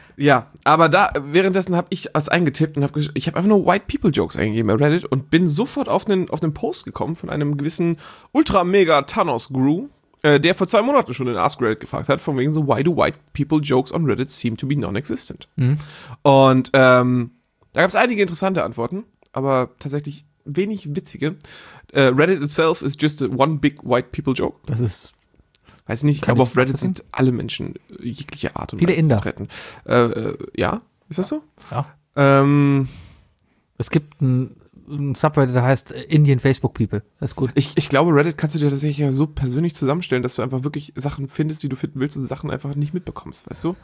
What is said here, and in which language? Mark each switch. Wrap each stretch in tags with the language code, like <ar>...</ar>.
<de>Ja, aber da währenddessen habe ich es eingetippt und habe einfach nur White People Jokes eingegeben bei Reddit und bin sofort auf einen Post gekommen von einem gewissen Ultra Mega Thanos Guru, der vor 2 Monaten schon in Ask Reddit gefragt hat, von wegen so,</de> <en>why do White People Jokes on Reddit seem to be non-existent?</en> <de>Mhm. Und da gab es einige interessante Antworten, aber tatsächlich wenig witzige.</de> <en>Reddit itself is just a one big white people joke.</en> <de>Das ist. Weiß nicht, ich glaube, auf Reddit sind alle Menschen jeglicher Art und Weise Inder vertreten. Ja, ist das so? Ja. Es gibt ein Subreddit, der heißt Indian Facebook People. Das ist gut. Ich glaube, Reddit kannst du dir tatsächlich ja so persönlich zusammenstellen, dass du einfach wirklich Sachen findest, die du finden willst und Sachen einfach nicht mitbekommst, weißt du?</de>